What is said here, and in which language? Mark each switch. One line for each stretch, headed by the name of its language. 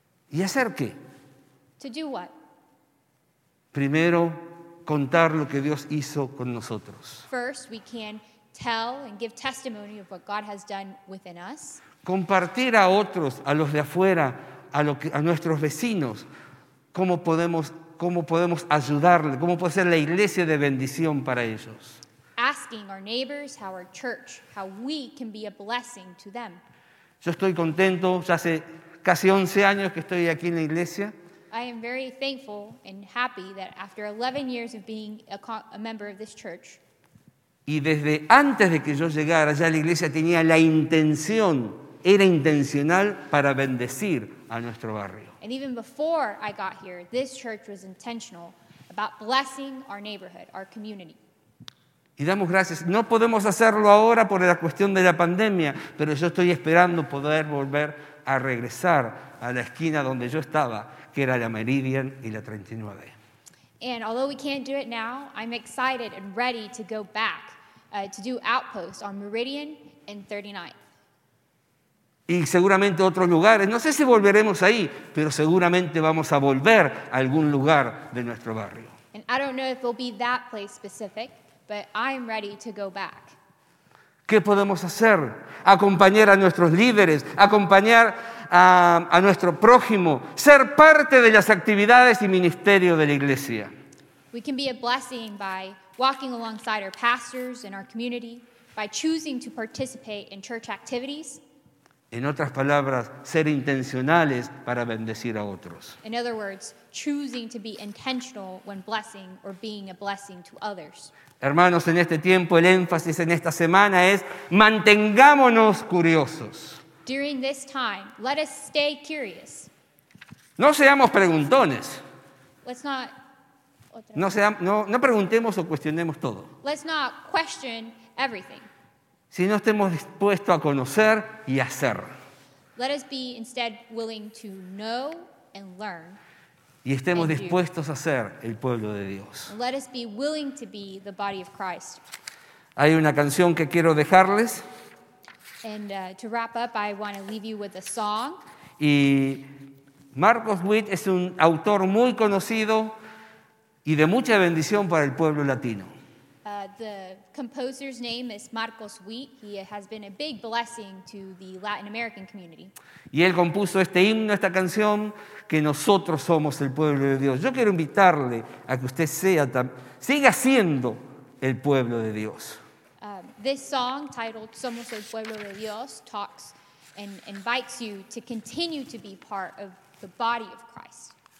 Spanish: ¿Y hacer qué?
English: To do what?
Spanish: Primero, contar lo que Dios hizo con nosotros.
English: First, we can tell and give testimony of what God has done within us.
Spanish: Compartir a otros, a los de afuera, a nuestros vecinos, cómo podemos ayudarle, cómo puede ser la iglesia de bendición para ellos.
English: Asking our neighbors, how our church, how we can be a blessing to them.
Spanish: Yo estoy contento, ya hace casi 11 años que estoy aquí en la iglesia.
English: I am very thankful and happy that after 11 years of being a member of this church.
Spanish: Y desde antes de que yo llegara, ya la iglesia tenía la intención, era intencional para bendecir a nuestro barrio.
English: And even before I got here, this church was intentional about blessing our neighborhood, our community.
Spanish: Y damos gracias. No podemos hacerlo ahora por la cuestión de la pandemia, pero yo estoy esperando poder volver a regresar a la esquina donde yo estaba, que era la Meridian y la 39.
English: And although we can't do it now, I'm excited and ready to go back to do outposts on Meridian and 39th.
Spanish: Y seguramente otros lugares. No sé si volveremos ahí, pero seguramente vamos a volver a algún lugar de nuestro barrio.
English: And I don't know if it'll be that place specific, but I'm ready to go back.
Spanish: ¿Qué podemos hacer? Acompañar a nuestros líderes, acompañar a nuestro prójimo, ser parte de las actividades y ministerio de la iglesia.
English: We can be a blessing by walking alongside our pastors and our community, by choosing to participate in church activities.
Spanish: En otras palabras, ser intencionales para bendecir a otros.
English: In other words, choosing to be intentional when blessing or being a blessing to others.
Spanish: Hermanos, en este tiempo el énfasis en esta semana es mantengámonos curiosos.
English: During this time, let us stay curious.
Spanish: No seamos preguntones.
English: Let's not.
Spanish: No preguntemos o cuestionemos todo.
English: Let's not question everything.
Spanish: Si no estemos dispuestos a conocer y hacer.
English: Let us be instead willing to know and learn.
Spanish: Y estemos dispuestos a ser el pueblo de Dios.
English: Let us be willing to be the body of Christ.
Spanish: Hay una canción que quiero dejarles.
English: And to wrap up, I want to leave you with a song.
Spanish: Y Marcos Witt es un autor muy conocido y de mucha bendición para el pueblo latino.
English: The composer's name is Marcos Witt. He has been a big blessing to the Latin American community.
Spanish: Y él compuso este himno, esta canción, que nosotros somos el pueblo de Dios. Yo quiero invitarle a que usted siga siendo el pueblo de Dios.
English: This song titled Somos el Pueblo de Dios talks and invites you to continue to be part of the body of Christ.